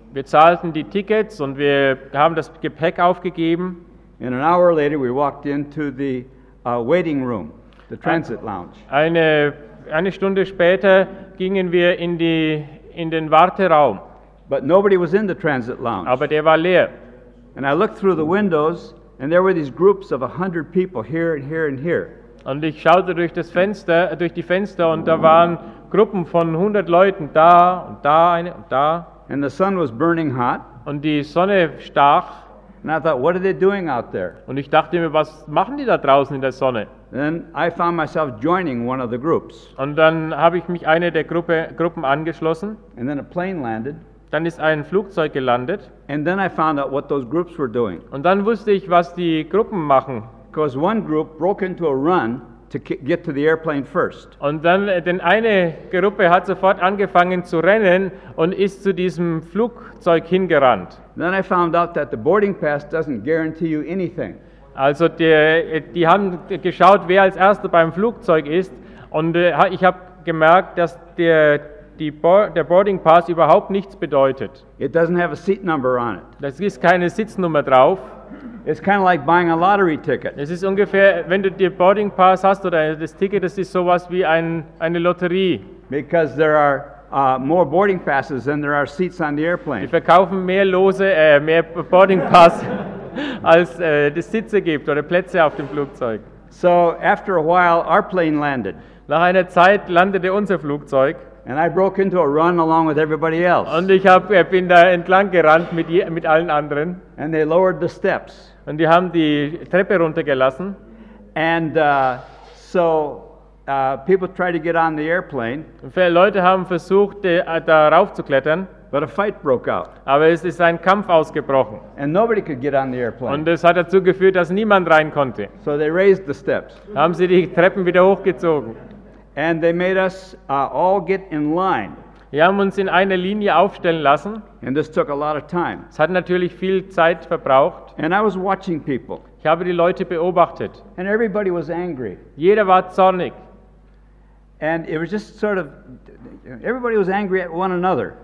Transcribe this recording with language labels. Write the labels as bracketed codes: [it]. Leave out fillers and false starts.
[de] Wir zahlten die Tickets und wir haben das Gepäck aufgegeben. [en] And an hour later we walked into the waiting room. The transit lounge. [de] Eine Stunde später gingen wir in den Warteraum. [en] But nobody was in the transit lounge. [de] Aber der war leer. [en] And I looked through the windows and there were these groups of 100 people here and here and here. [de] Und ich schaute durch die Fenster und da waren Gruppen von 100 Leuten da und da eine und da. [en] And the sun was burning hot. [de] Und die Sonne stach. [en] And I thought, what are they doing out there? [de] Und ich dachte mir, was machen die da draußen in der Sonne? [en] Then I found myself joining one of the groups. [de] Und dann habe ich mich einer der Gruppen angeschlossen. [en] And then a plane landed. [de] Dann ist ein Flugzeug gelandet. [en] And then I found out what those groups were doing. [de] Und dann wusste ich, was die Gruppen machen. [en] Because one group broke into a run to get to the airplane first. [de] Und dann denn eine Gruppe hat sofort angefangen zu rennen und ist zu diesem Flugzeug hingerannt. [en] Then I found out that the boarding pass doesn't guarantee you anything. [de] Also die haben geschaut, wer als Erster beim Flugzeug ist, und ich habe gemerkt, dass der Boarding Pass überhaupt nichts bedeutet. [en] It doesn't have a seat number on it. [de] Das ist keine Sitznummer drauf. [en] It's kind of like buying a lottery ticket. [de] Es ist ungefähr, wenn du dir Boarding Pass hast oder das Ticket, das ist sowas wie eine Lotterie. [en] Because there are more boarding passes than there are seats on the airplane. [de] Die verkaufen mehr Lose, mehr Boarding Pass als es Sitze gibt oder Plätze auf dem Flugzeug. [en] So after a while our plane landed. [de] Nach einer Zeit landete unser Flugzeug. [en] And I broke into a run along with everybody else. [de] Und ich bin da entlang gerannt mit allen anderen. [en] And they lowered the steps. [de] Und die haben die Treppe runtergelassen. [en] And people tried to get on the airplane. [de] Und viele Leute haben versucht da rauf zu klettern. [en] But a fight broke out. [de] Aber es ist ein Kampf ausgebrochen. [en] And nobody could get on the airplane. [de] Und es hat dazu geführt, dass niemand rein konnte. [en] So they raised the steps. [de] Da haben sie die Treppen wieder hochgezogen. [en] And they made us all get in line. [de] Wir haben uns in eine Linie aufstellen lassen. [en] And this took a lot of time. [de] Es hat natürlich viel Zeit verbraucht. [en] And I was watching people. [de] Ich habe die Leute beobachtet. [en] And everybody was angry. [de] Jeder war zornig. [en] And it was just sort of, everybody was angry at one another.